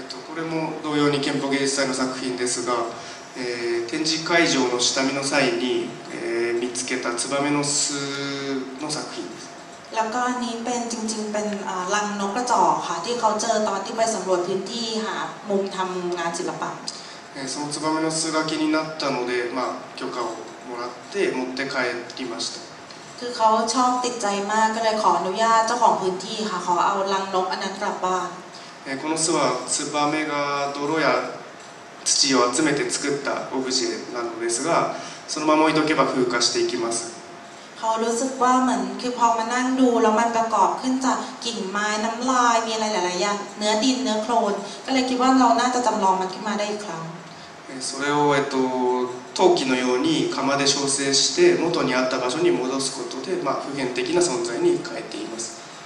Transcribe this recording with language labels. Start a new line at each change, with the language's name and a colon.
Japanese: これも同様に県北芸術祭の作品ですが、展示会場の下見の際に、見つけたツバメの巣の作品です。
Thai: แล้วก็นี้เป็นจริงๆเป็นรังนกกระจอกค่ะที่เขาเจอตอนที่ไปสำรวจพื้นที่หามุมทำงานศิลปะ
Japanese: そのツバメの巣が気になったので、まあ許可をもらって持って帰りました。
Thai: คือเขาชอบติดใจมากก็เลยขออนุญาตเจ้าของพื้นที่ค่ะขอเอารังนกอันนั้นกลับบ้าน
Japanese: この巣はツバメが泥や土を集めて作ったオブジェなのですが、そのまま置いとけば風化していきます。
Thai: เขารู้สึกว่าเหมือนคือพอมานั่งดูแล้วมันประกอบขึ้นจากกิ่งไม้น้ำลายมีอะไรหลายๆอย่างเนื้อดินเนื้อโคลนก็เลยคิดว่าเราน่าจะจำลองมันขึ้นมาได้อีกครั้ง
Japanese: それを陶器のように釜で焼成して元にあった場所に戻すことで、まあ普遍的な存在に変えています